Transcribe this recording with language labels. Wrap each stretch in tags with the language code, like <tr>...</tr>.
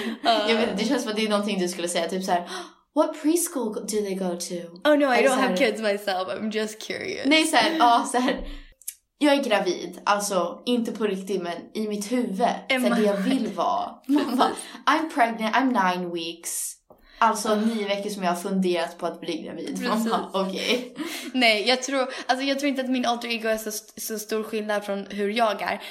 <sv>Jag vet, det känns som att det är någonting du skulle säga, typ såhär,</sv> <en>what preschool do they go to? Oh no, I don't have kids myself, I'm just curious.</en> <sv>Nej, såhär, jag är gravid, alltså inte på riktigt, men i mitt huvud, för det jag vill vara. Mamma,</sv> <en>I'm pregnant, I'm 9 weeks.</en> <sv>Alltså 9 veckor som jag har funderat på att bli gravid. Okej. Nej, jag tror inte att min alter ego är så stor skillnad från hur jag är.</sv>